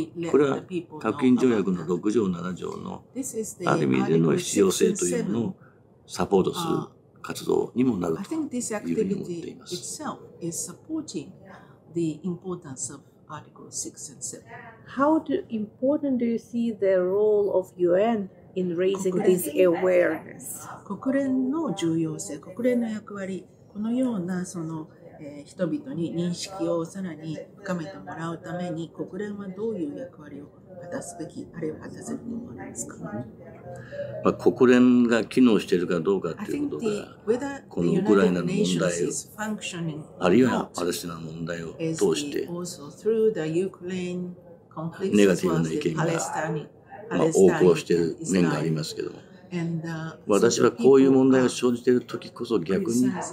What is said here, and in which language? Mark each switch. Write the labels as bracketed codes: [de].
[ja] これは核禁条約の6条7条のある意味での必要性というのをサポートする活動にもなるというふうに思っています。 [en] How important do you see the role of UN in raising this awareness? [ja] 国連の重要性、国連の役割、このようなその、人々に認識をさらに深めてもらうために、国連はどういう役割を果たすべき、あるいは果たせると思われますか？まあ、国連が機能しているかどうかということが、このウクライナの問題を、あるいはパレスチナの問題を通して、ネガティブな意見が、まあ、横行している面がありますけども、私はこういう問題が生じているときこそ逆に、